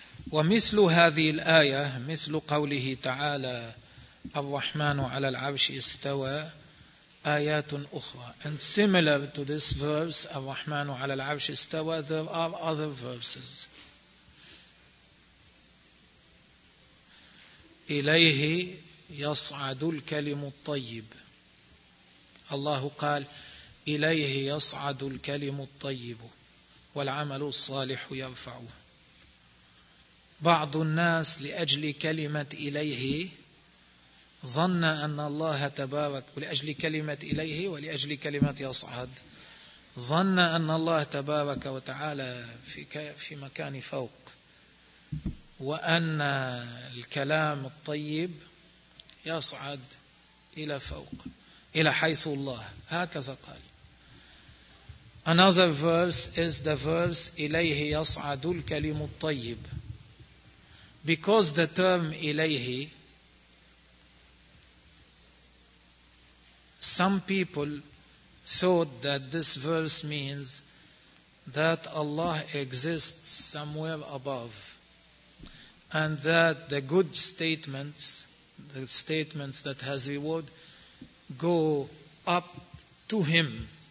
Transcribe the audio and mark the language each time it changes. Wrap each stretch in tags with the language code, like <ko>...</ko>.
<ar>ومثل هذه الآية مثل قوله تعالى الرحمن على العرش استوى آيات أخرى.</ar> <en>And similar to this verse</en> <ar>الرحمن على العرش استوى,</ar> <en>there are other verses.</en> <ar>إليه يصعد الكلم الطيب. الله قال إليه يصعد الكلم الطيب والعمل الصالح يرفعه. بعض الناس لأجل كلمة إليه ظن أن الله تبارك, ولأجل كلمة إليه ولأجل كلمة يصعد, ظن أن الله تبارك وتعالى في مكان فوق, وأن الكلام الطيب يصعد إلى فوق إلى حيث الله. هكذا قال.</ar> <en>Another verse is the verse</en> <ar>إليه يصعد الكلم الطيب.</ar> <en>Because the term إليه, some people thought that this verse means that Allah exists somewhere above, and that the good statements, the statements that has reward, go up to Him.</en>